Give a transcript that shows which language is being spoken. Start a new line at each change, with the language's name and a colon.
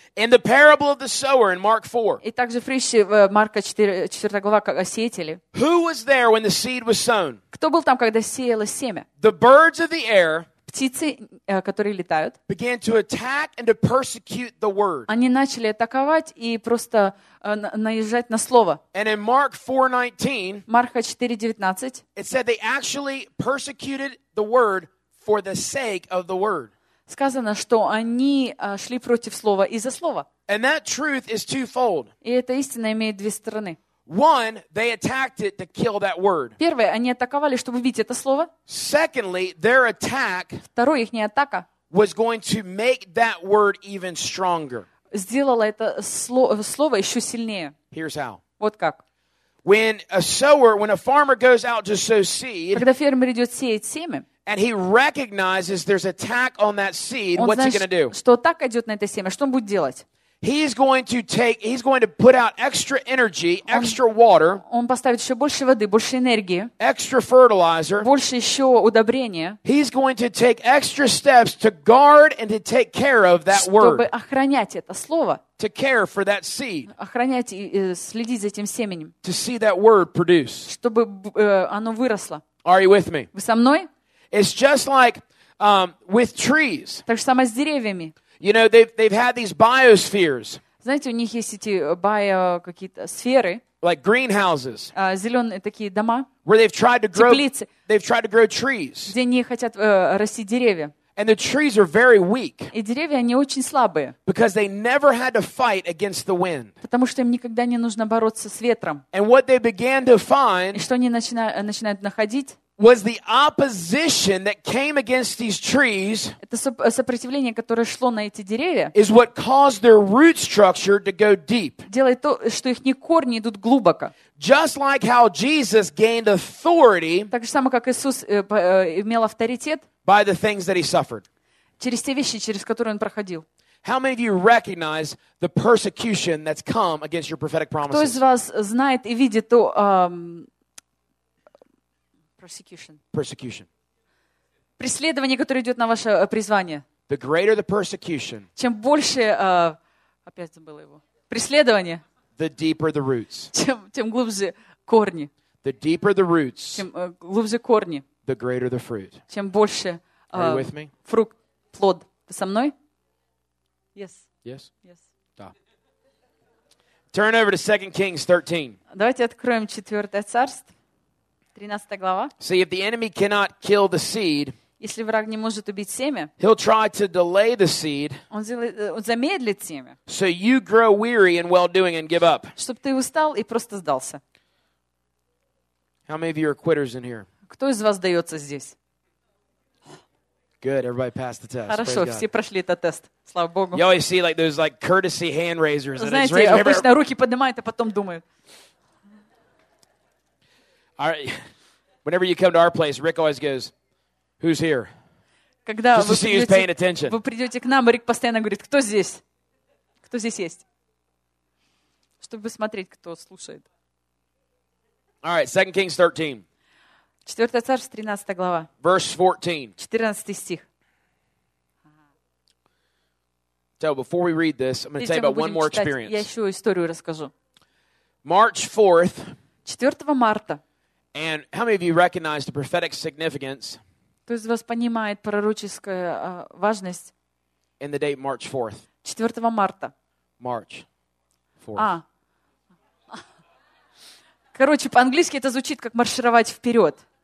English: In the parable of the sower in Mark 4.
Russian: И также в притче в Марка 4 глава как о сеятеле.
English: Who was there when the seed was sown?
Russian: Кто был там, когда сеялось семя?
English: The birds of the air.
Russian: Птицы, которые летают.
English: Began to attack and to persecute the word.
Russian: Они начали атаковать и просто наезжать на слово.
English: And in Mark 4:19,
Russian: Марка 4:19,
English: it said they actually persecuted the word for the sake of the word.
Russian: Сказано, что они шли против слова из-за слова.
English: And that truth is twofold.
Russian: И эта истина имеет две стороны.
English: One, they attacked it to kill that word.
Russian: Первое, они атаковали, чтобы убить это слово.
English: Secondly, their attack.
Russian: Второе, ихняя атака.
English: Was going to make that word even stronger.
Russian: Сделала это слово еще сильнее.
English: Here's how.
Russian: Вот как.
English: When a farmer goes out to sow seed.
Russian: Когда фермер идет сеять семя.
English: And he recognizes there's attack on that seed.
Russian: Он
English: what's
Russian: знает,
English: he going to do?
Russian: Что атака идет на это семя? Что он будет делать?
English: He's going to put out extra energy, extra water.
Russian: Он поставит еще больше воды, больше энергии.
English: Extra fertilizer.
Russian: Больше еще удобрения.
English: He's going to take extra steps to guard and to take care of that word.
Russian: Чтобы охранять это слово.
English: To care for that seed.
Russian: Охранять и следить за этим семенем.
English: To see that word produce.
Russian: Чтобы оно выросло.
English: Are you with me?
Russian: Вы со мной?
English: It's just like with trees.
Russian: Так же самое с деревьями.
English: You know, they've had these biospheres.
Russian: Знаете, у них есть эти био какие-то сферы.
English: Like greenhouses.
Russian: Зеленые такие дома.
English: Where they've tried to grow.
Russian: Теплицы.
English: They've tried to grow trees.
Russian: Где они хотят расти деревья.
English: And the trees are very weak.
Russian: И деревья они очень слабые.
English: Because they never had to fight against the wind.
Russian: Потому что им никогда не нужно бороться с ветром.
English: And what they began to find.
Russian: И что они начинают находить.
English: Was the opposition that came against these trees?
Russian: Это сопротивление, которое шло на эти деревья.
English: Is what caused their root structure to go deep.
Russian: Делает то, что их корни идут глубоко.
English: Just like how Jesus gained authority.
Russian: Так же самое, как Иисус имел авторитет.
English: By the things that he suffered.
Russian: Через те вещи, через которые он проходил.
English: How many of you recognize the persecution that's come against your prophetic promises?
Russian: Кто из вас знает и видит то?
English: Persecution.
Russian: Преследование, которое идет на ваше призвание.
English: The greater the persecution.
Russian: Чем больше, опять забыла его. Преследование.
English: The deeper the roots.
Russian: Тем глубже корни.
English: The deeper the roots.
Russian: Тем глубже корни.
English: The greater the fruit.
Russian: Чем больше.
English: Are you with me?
Russian: Фрукт, плод. Ты со мной?
English: Yes. Yes. Yes.
Russian: Да.
English: Turn over to 2 Kings 13.
Russian: Давайте откроем 4 Царство. 13 глава.
English: See, if the enemy cannot kill the seed,
Russian: если враг не может убить семя,
English: he'll try to delay the seed,
Russian: он замедлит семя,
English: so you grow weary in well-doing and give up.
Russian: Чтобы ты устал и просто сдался.
English: How many of you are quitters in here?
Russian: Кто из вас сдается здесь?
English: Good, everybody passed the test.
Russian: Хорошо,
English: praise
Russian: все
English: God.
Russian: Прошли этот тест. Слава Богу.
English: You always see like those like courtesy hand raisers.
Russian: Знаете,
English: and
Russian: обычно
English: remember...
Russian: руки поднимают, а потом думают.
English: All right. Whenever you come to our place, Rick always goes, "Who's here?"
Russian: Когда
English: just to see who's paying attention.
Russian: Вы придете к нам, Рик постоянно говорит, кто здесь? Кто здесь есть? Чтобы смотреть, кто слушает.
English: All right, 2 Kings 13.
Russian: 4 Царств, 13 глава.
English: Verse 14.
Russian: 14 стих.
English: So before we read this, I'm going to tell you about one more experience.
Russian: Я еще историю расскажу.
English: March 4th.
Russian: 4 марта.
English: And how many of you recognize the prophetic significance?
Russian: Кто из вас понимает пророческую важность?
English: In the date March 4th.
Russian: 4 марта.
English: March 4th. А.
Russian: Короче, по-английски это звучит как маршировать вперед.